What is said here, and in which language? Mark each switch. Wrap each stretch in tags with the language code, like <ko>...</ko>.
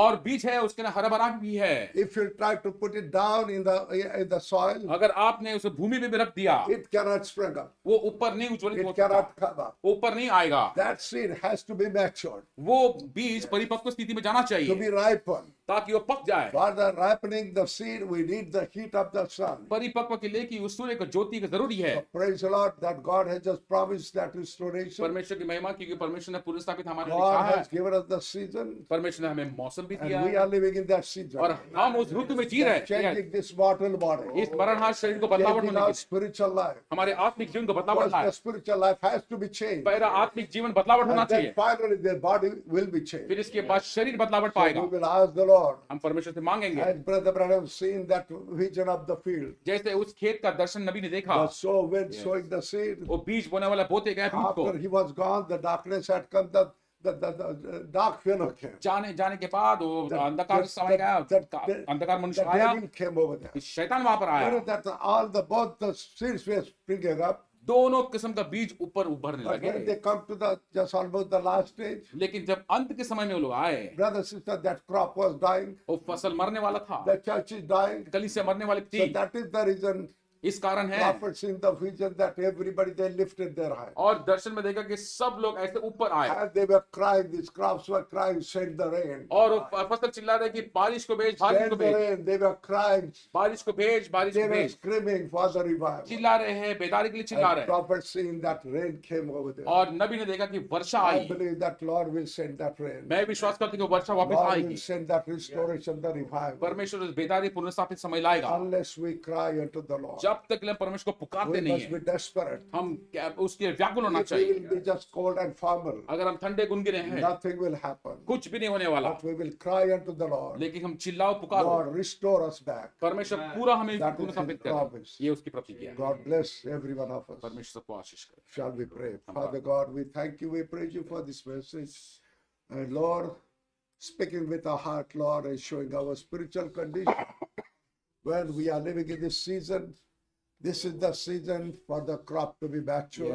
<hi>और बीज है उसके ना हरा भरा भी है.</hi> <en>if you try to put it down in the soil</en> <hi>अगर आपने उसे भूमि में रख दिया</hi> <en>it can not spring up</en> <hi>वो ऊपर नहीं उछल</hi> <en>it can not come up</en> <hi>ऊपर नहीं आएगा.</hi> <en>that seed has to be matured</en> <hi>वो बीज परिपक्व स्थिति में जाना चाहिए</hi> <en>to be ripen</en> <hi>ताकि वो पक जाए.</hi> <en>For the ripening the seed, we need the heat of the sun.</en> <hi>परिपक्व के लिए कि उस सूर्य का ज्योति का जरूरी है.</hi> <en>So praise the Lord that God has just promised that restoration.</en> <hi>परमेश्वर की महिमा क्योंकि परमेश्वर ने पुनर्स्थापित हमारे लिए कहा है.</hi> <en>God has given us the season.</en> <hi>परमेश्वर ने हमें मौसम भी दिया.</hi> <en>And we are living in that season.</en> <hi>और हम उस ऋतु में जी रहे हैं.</hi> <en>Changing this mortal body.</en> <hi>इस मरणहार शरीर को बदलावट होने की.</hi> <en>Spiritual life.</en> <hi>हमारे आत्मिक जीवन को बदलावट होना है.</hi> <en>Spiritual life has to be changed.</en> <hi>पर आत्मिक जीवन बदलावट होना चाहिए.</hi> <en>Finally, their body will be changed.</en> <hi>फिर इसके बाद शरीर बदलावट पाएगा. हम परमेश्वर से मांगेंगे.</hi> <en>As brother Branham seen that vision of the field.</en> <hi>जैसे उस खेत का दर्शन नबी ने देखा.</hi> <en>The sower sowing the seed.</en> <hi>वो बीज बोने वाला बोते गए बीज को.</hi> <en>After he was gone, the darkness had come. The dark fellow came.</en> <hi>जाने के बाद वो अंधकार समय गया. अंधकार मनुष्य आया.</hi> <en>The devil came over there.</en> <hi>शैतान वहाँ पर आया.</hi> <en>That all the both the seeds were springing up.</en> <hi>दोनों किस्म का बीज ऊपर उभरने लगे।</hi> <en>But they come to the just almost the last stage.</en> <hi>लेकिन जब अंत के समय में वो लोग आए,</hi> <en>brother sister that crop was dying.</en> <hi>वो फसल मरने वाला था।</hi> <en>The church is dying.</en> <hi>कलीसिया मरने वाली थी।</hi> <en>So that is the reason.</en> <hi>इस कारण है।</hi> <en>Prophets in the vision that everybody they lifted their eyes.</en> <hi>और दर्शन में देखा कि सब लोग ऐसे ऊपर आए।</hi> <en>And they were crying, these crops were crying, send the rain.</en> <hi>और फसल चिल्ला रहे कि बारिश को भेज, बारिश को भेज।</hi> <en>They were crying.</en> <hi>बारिश को भेज, बारिश को भेज।</hi> <en>They were screaming for the revival.</en> <hi>चिल्ला रहे हैं, बेदारी के लिए चिल्ला रहे हैं।</hi> <en>Prophets seen that rain came over there.</en> <hi>और नबी ने देखा कि वर्षा आई।</hi> <en>I believe that Lord will send that rain.</en> <hi>मैं विश्वास करता हूँ कि वर्षा वापस आएगी।</hi> <en>Lord will send that restoration, the revival.</en> <hi>परमेश्वर उस बेदारी पुनर्स्थापित समय लाएगा।</hi> <en>Unless we cry unto the Lord.</en> <hi>जब तक हम परमेश्वर को पुकारते नहीं हैं, हम उसके व्याकुल होना चाहिए। अगर हम ठंडे गुनगुने हैं, कुछ भी नहीं होने वाला। लेकिन हम चिल्लाओ पुकारो, परमेश्वर पूरा हमें पुनर्स्थापित करे। ये उसकी प्रतिज्ञा है। परमेश्वर सबको आशीष करे।</hi> <en>Shall we pray? Father God, we thank you, we praise you for this message. And Lord, speaking with our heart, Lord, and showing our spiritual condition. When we are living in this is the season for the crop to be matured.</en>